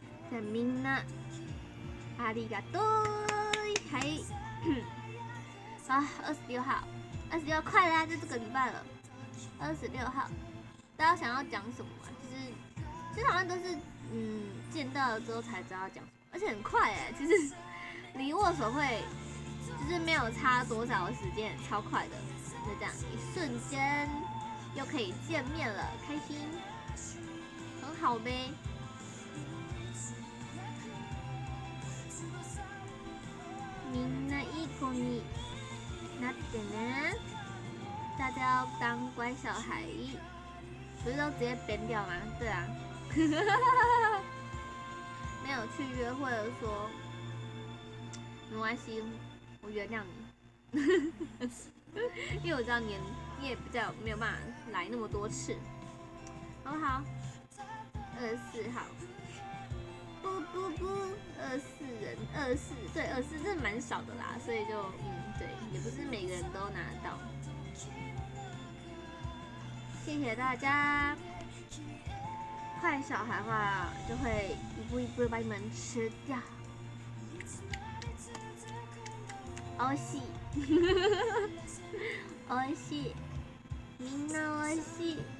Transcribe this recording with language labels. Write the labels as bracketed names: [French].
[Japanese] 在みんな，ありがとう，はい。 [Chinese] 啊，26号，26号快啦，就这个礼拜了。26号，大家想要讲什么、啊？其实好像都是，见到了之后才知道讲什么，而且很快哎、欸，其实离握手会就是没有差多少的时间，超快的，就这样一瞬间又可以见面了，开心，很好呗。 [Japanese] みんないい子になってね。 [Chinese] 大家要当乖小孩，不是都直接扁掉吗？对啊，没有去约会的说，没关系，我原谅你，因为我知道你也比较没有办法来那么多次，好不好？ 24号，不不不，24人，24，这蛮少的啦，所以就对，也不是每个人都拿得到。谢谢大家，坏小孩的话就会一步一步把你们吃掉， [Japanese] おいしい，おいしい，みんなおいしい。